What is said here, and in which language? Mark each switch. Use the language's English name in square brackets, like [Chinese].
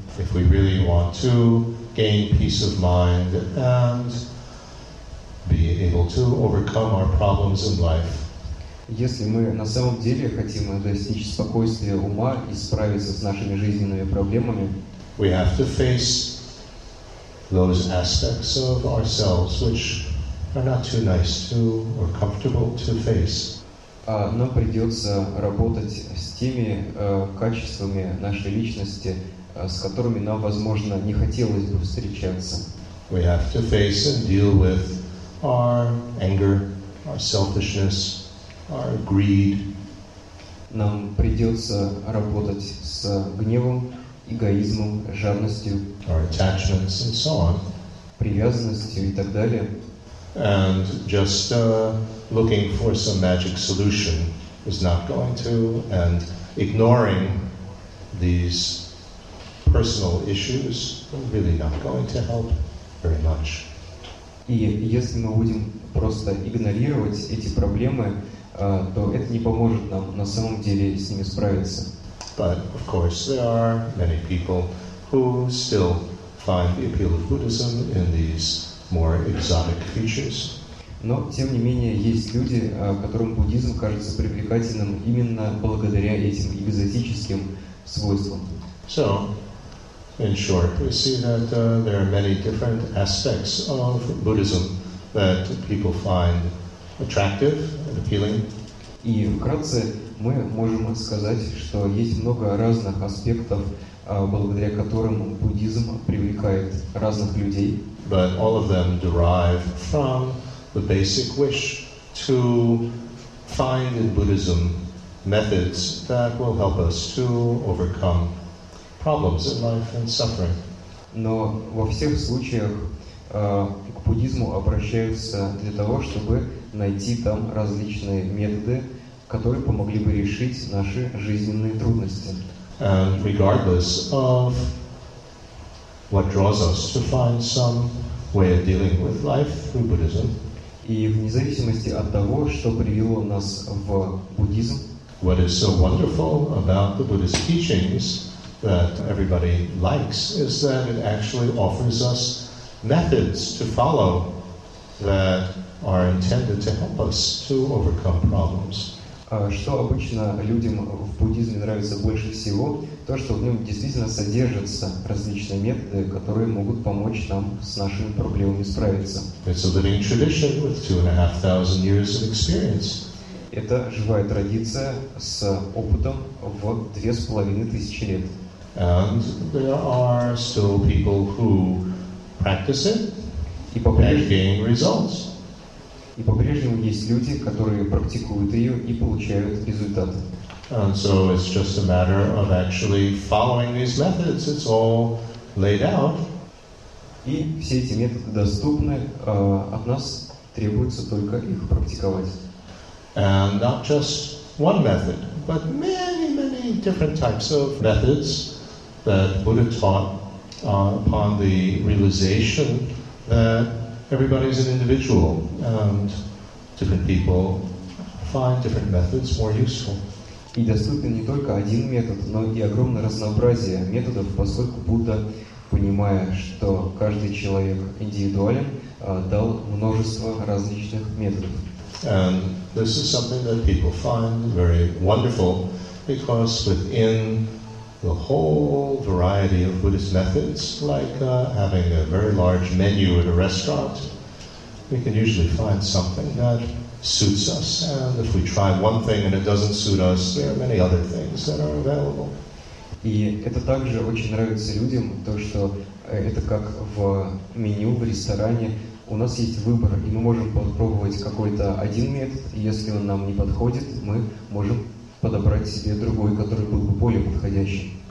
[English] If we really want to gain peace of mind and be able to overcome our problems in life, [Russian] если мы на самом деле хотим достичь спокойствия ума и справиться с нашими жизненными проблемами, [English] we have to face those aspects of ourselves which are not too nice to or comfortable to face. [Russian] Нам придется работать с теми качествами нашей личности, с которыми нам, возможно, не хотелось бы встречаться. [English] We have to face and deal with our anger, our selfishness, our greed. [Russian] Нам придется работать с гневом, эгоизмом, жадностью, [English] our attachments and so on. [Russian] Привязанностью и так далее. [English] And just looking for some magic solution is not going to, and ignoring these personal issues are really not going to help very much. [Russian] И если мы будем просто игнорировать эти проблемы, то это не поможет нам на самом деле с ними справиться. [English] But of course there are many people who still find the appeal of Buddhism in these more exotic features. [Russian] Но, тем не менее, есть люди, которым буддизм кажется привлекательным именно благодаря этим экзотическим свойствам. [English] So, in short, we see that there are many different aspects of Buddhism that people find attractive and appealing. [Russian] И вкратце мы можем сказать, что есть много разных аспектов, благодаря которым буддизм привлекает разных людей. [English] But all of them derive from the basic wish to find in Buddhism methods that will help us to overcome problems in life and suffering. [Russian] Но во всех случаях к буддизму обращаются для того, чтобы найти там различные методы, которые помогли бы решить наши жизненные трудности. [English] And regardless of what draws us to find some way of dealing with life through Buddhism, [Russian] и вне зависимости от того, что привело нас в буддизм, [English] what is so wonderful about the Buddhist teachings that everybody likes is that it actually offers us methods to follow that are intended to help us to overcome problems. [Russian] Что обычно людям в буддизме нравится больше всего, то, что в нем действительно содержатся различные методы, которые могут помочь нам с нашими проблемами справиться. [English] It's a living tradition with 2,500 years of experience. [Russian] Это живая традиция с опытом в 2,500 лет. [English] And there are still people who practice it and gain results. [Russian] И по-прежнему есть люди, которые практикуют ее и получают результаты. [English] And so it's just a matter of actually following these methods. It's all laid out. [Russian] И все эти методы доступны. От нас требуется только их практиковать. [English] And not just one method, but many, many different types of methods that Buddha taught upon the realization that everybody is an individual, and different people find different methods more useful. [Russian] И доступен не только один метод, но и огромное разнообразие методов, поскольку Будда, понимая, что каждый человек индивидуален, дал множество различных методов. [English] And this is something that people find very wonderful, because within the whole variety of Buddhist methods, like having a very large menu at a restaurant. We can usually find something that suits us, and if we try one thing and it doesn't suit us, there are many other things that are available. [Russian] И это также очень нравится людям, то что это как в меню в ресторане. У нас есть выбор, и мы можем попробовать какой-то один метод. И если он нам не подходит, мы можем подобрать себе другой, который был бы более подходящим.